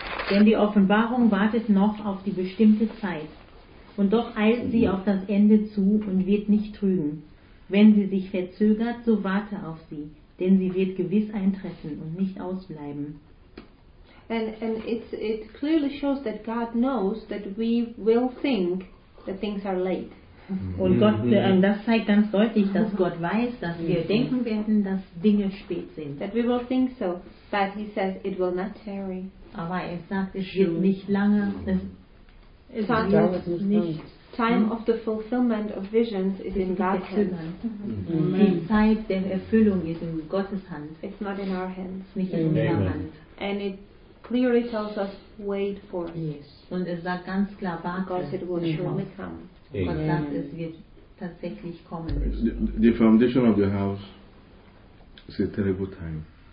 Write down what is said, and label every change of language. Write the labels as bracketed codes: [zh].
[de] Denn die Offenbarung wartet noch auf die bestimmte Zeit. Und doch eilt sie auf das Ende zu und wird nicht trügen. Wenn sie sich verzögert, so warte auf sie. Denn sie wird gewiss eintreffen und nicht ausbleiben. [en] And it clearly shows that God knows that we will think that things are late. [de] Und Gott, das zeigt ganz deutlich, dass Gott weiß, dass wir denken werden, dass Dinge spät sind. [en] That we will think so, but he says it will not tarry. [de] Aber er sagt, es wird nicht lange. Es wird nicht. [en] Time of the fulfillment of visions is in God's hands. [de] Die Zeit der Erfüllung ist in Gottes Hand. [en] It's not in our hands. [de] Nicht in unserer Hand. [en] And it clearly tells us, wait for it. [de] Yes. Und es sagt ganz klar, [en] because it will surely come. [de] Gott sagt, es wird tatsächlich kommen. [en] The foundation of the house is a terrible time.